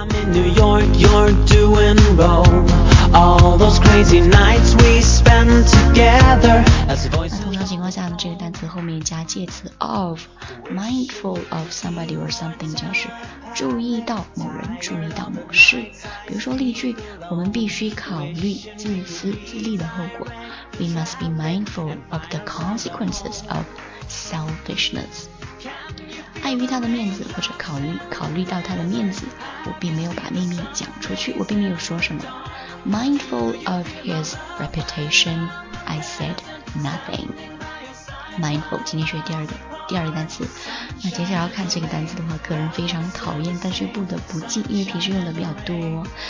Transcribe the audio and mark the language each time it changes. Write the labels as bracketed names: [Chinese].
[English] I'm in New York, you're doing Rome. All those crazy nights we spend together. [Chinese] 那通常情况下呢，这个单词后面加介词 of, [English] mindful of somebody or something, [Chinese] 就是注意到某人，注意到某事。比如说例句，我们必须考虑自私自利的后果。 [English] We must be mindful of the consequences ofselfishness. [Chinese] 碍于他的面子，或者考虑到他的面子，我并没有把秘密讲出去，我并没有说什么。 [English] Mindful of his reputation, I said nothing. [Chinese] Mindful, 今天学第二个单词。那接下来要看这个单词的话，个人非常讨厌，但是不得不记，因为平时用的比较多。